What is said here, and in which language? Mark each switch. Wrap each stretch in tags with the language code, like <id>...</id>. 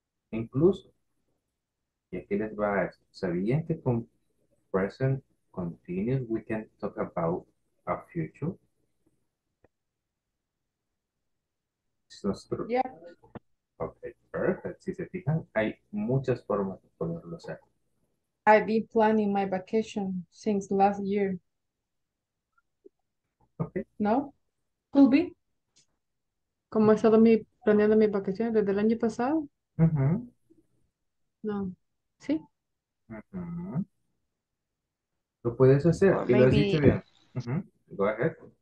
<es>Incluso, y aquí les va a esto. ¿Sabían que con</es> <en>present continuous we can talk about a future? Yeah. Okay, perfect.</en> <es>Si se fijan, hay muchas formas de poderlo hacer.</es> <en>I've been planning my vacation since last year. Okay. No? Could be.</en> <es>¿Cómo he estado planeando mi vacación desde el año pasado? Uh-huh. No. Sí. Lo puedes hacer. Well, y maybe... lo has dicho bien. Uh-huh.</es> <en>Go ahead.</en>